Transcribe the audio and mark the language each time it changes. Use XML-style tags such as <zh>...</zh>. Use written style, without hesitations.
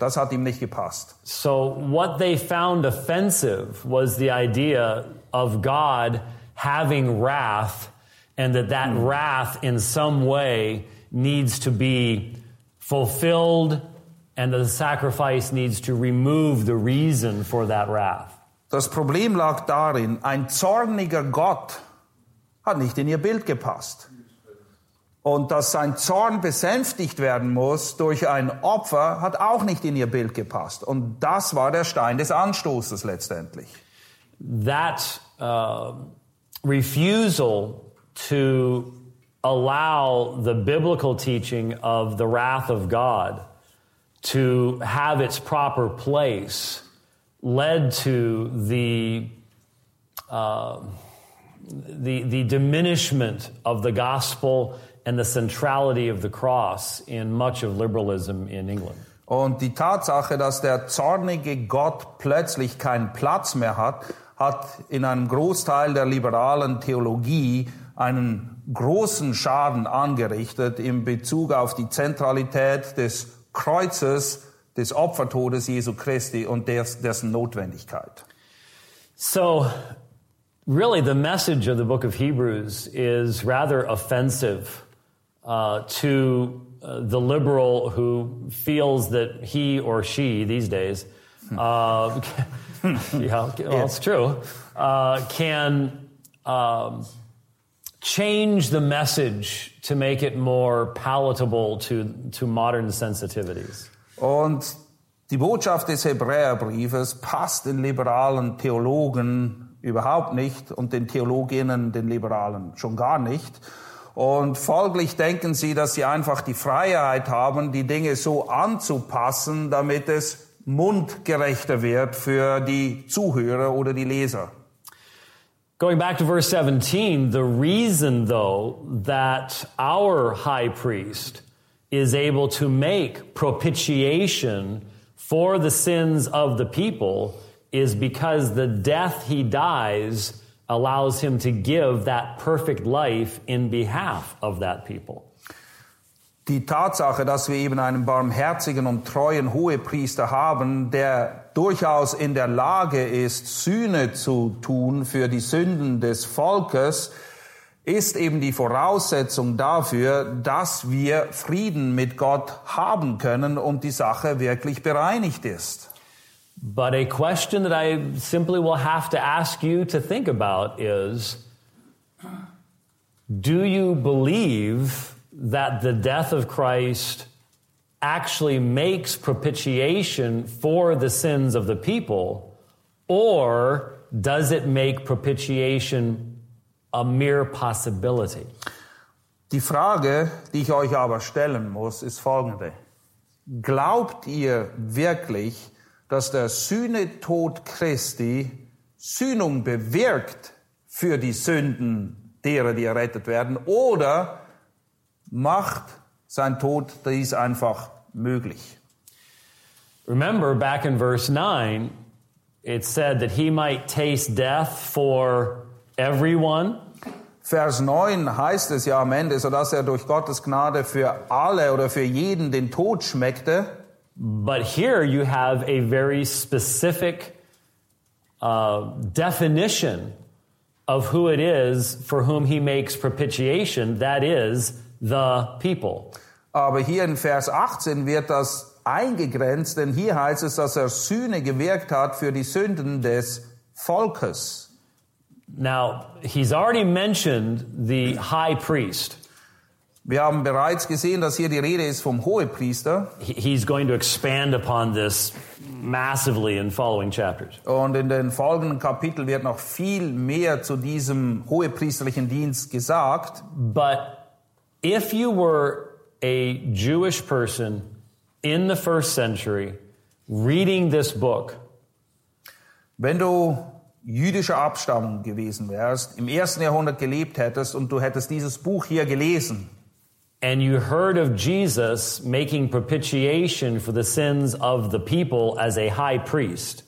<de>Das hat ihm nicht gepasst.</de> <en>So what they found offensive was the idea of God having wrath and that that wrath in some way needs to be fulfilled and the sacrifice needs to remove the reason for that wrath.</en> <de>Das Problem lag darin, ein zorniger Gott hat nicht in ihr Bild gepasst. Und dass sein Zorn besänftigt werden muss durch ein Opfer, hat auch nicht in ihr Bild gepasst. Und das war der Stein des Anstoßes letztendlich.</de> <en>That refusal to allow the biblical teaching of the wrath of God to have its proper place led to the diminishment of the gospel and the centrality of the cross in much of liberalism in England.</en> <de>Und die Tatsache, dass der zornige Gott plötzlich keinen Platz mehr hat, hat in einem Großteil der liberalen Theologie einen großen Schaden angerichtet in Bezug auf die Zentralität des Kreuzes, des Opfertodes Jesu Christi und dessen Notwendigkeit.</de> <en>So, really the message of the book of Hebrews is rather offensive to the liberal who feels that he or she these days, change the message to make it more palatable to modern sensitivities.</en> <de>Und die Botschaft des Hebräerbriefes passt den liberalen Theologen überhaupt nicht und den Theologinnen, den Liberalen, schon gar nicht. Und folglich denken sie, dass sie einfach die Freiheit haben, die Dinge so anzupassen, damit es mundgerechter wird für die Zuhörer oder die Leser.</de> <en>Going back to verse 17, the reason, though, that our high priest is able to make propitiation for the sins of the people is because the death he dies allows him to give that perfect life in behalf of that people.</en> <de>Die Tatsache, dass wir eben einen barmherzigen und treuen Hohepriester haben, der durchaus in der Lage ist, Sühne zu tun für die Sünden des Volkes, ist eben die Voraussetzung dafür, dass wir Frieden mit Gott haben können und die Sache wirklich bereinigt ist.</de> <en>But a question that I simply will have to ask you to think about is, do you believe that the death of Christ actually makes propitiation for the sins of the people, or does it make propitiation a mere possibility?</en> <de>Die Frage, die ich euch aber stellen muss, ist folgende. Glaubt ihr wirklich, dass der Sühnetod Christi Sühnung bewirkt für die Sünden derer, die errettet werden, oder macht sein Tod dies einfach möglich?</de> <en>Remember, back in verse 9, it said that he might taste death for everyone.</en> <de>Vers 9 heißt es ja am Ende, sodass er durch Gottes Gnade für alle oder für jeden den Tod schmeckte.</de> <en>But here you have a very specific definition of who it is for whom he makes propitiation, that is, the people.</en> <de>Aber hier in Vers 18 wird das eingegrenzt, denn hier heißt es, dass er Sühne gewirkt hat für die Sünden des Volkes.</de> <en>Now, he's already mentioned the high priest.</en> <de>Wir haben bereits gesehen, dass hier die Rede ist vom Hohepriester.</de> <en>He's going to expand upon this massively in following chapters.</en> <de>Und in den folgenden Kapiteln wird noch viel mehr zu diesem hohepriesterlichen Dienst gesagt.</de> <en>But if you were a Jewish person in the first century reading this book,</en> <de>Wenn du jüdischer Abstammung gewesen wärst, im ersten Jahrhundert gelebt hättest und du hättest dieses Buch hier gelesen,</de> <en>and you heard of Jesus making propitiation for the sins of the people as a high priest.</en>